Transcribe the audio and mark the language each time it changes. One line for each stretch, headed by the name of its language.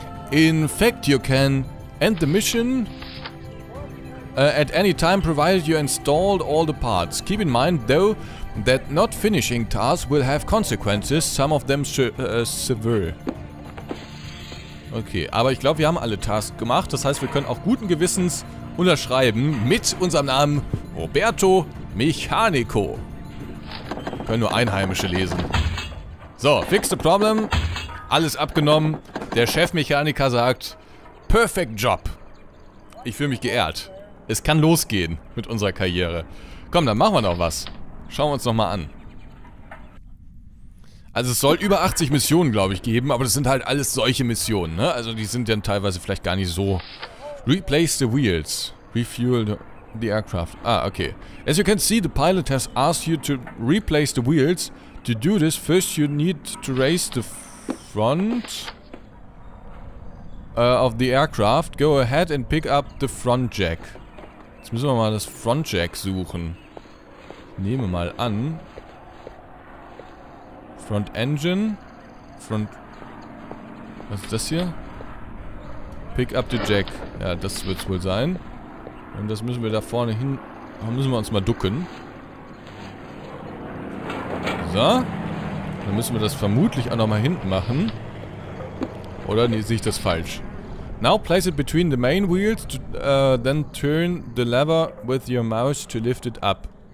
English: In fact, you can end the mission at any time provided you installed all the parts. Keep in mind, though, that not finishing tasks will have consequences, some of them severe.
German: Okay, aber ich glaube, wir haben alle Tasks gemacht. Das heißt, wir können auch guten Gewissens unterschreiben mit unserem Namen Roberto Mechanico. Können nur Einheimische lesen. So,
English: fix the problem.
German: Alles abgenommen. Der Chefmechaniker sagt,
English: perfect job.
German: Ich fühle mich geehrt. Es kann losgehen mit unserer Karriere. Komm, dann machen wir noch was. Schauen wir uns nochmal an. Also es soll über 80 Missionen, glaube ich, geben, aber das sind halt alles solche Missionen, ne? Also die sind dann teilweise vielleicht gar nicht so...
English: Replace the wheels. Refuel the aircraft. Ah, okay. As you can see, the pilot has asked you to replace the wheels. To do this, first you need to raise the front... of the aircraft. Go ahead and pick up the front jack.
German: Jetzt müssen wir mal das front jack suchen. Ich nehme mal an...
English: Front Engine. Front.
German: Was ist das hier?
English: Pick up the jack.
German: Ja, das wird es wohl sein. Und das müssen wir da vorne hin. Da müssen wir uns mal ducken. So. Dann müssen wir das vermutlich auch nochmal hinten machen. Oder nee, sehe ich das falsch?
English: Now place it between the main wheels. To, then turn the lever with your mouse to lift it up.